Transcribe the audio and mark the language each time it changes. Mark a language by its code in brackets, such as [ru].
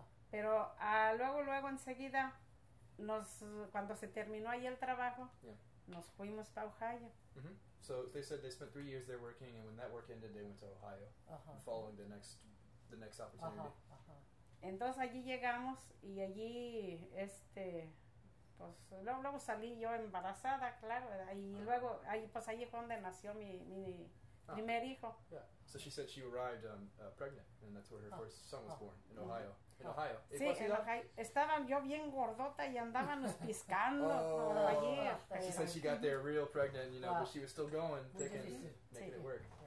[es] Pero luego enseguida cuando se terminó ahí el trabajo, nos fuimos para Ohio. [en] So they said they spent 3 years there working, and when that work ended, they went to Ohio, following the next opportunity. [es] Entonces allí llegamos y allí pues luego salí yo embarazada, claro, y luego ahí pues allí fue donde nació mi primer hijo. [en] Yeah. So she said she arrived pregnant, and that's where her first son was born in Ohio. Ohio. [es] Sí, en Ohio. Estaba yo bien gordota y andábamos piscando allí. [en] She said she got there real pregnant, you know, but she was still going, thinking, making it work.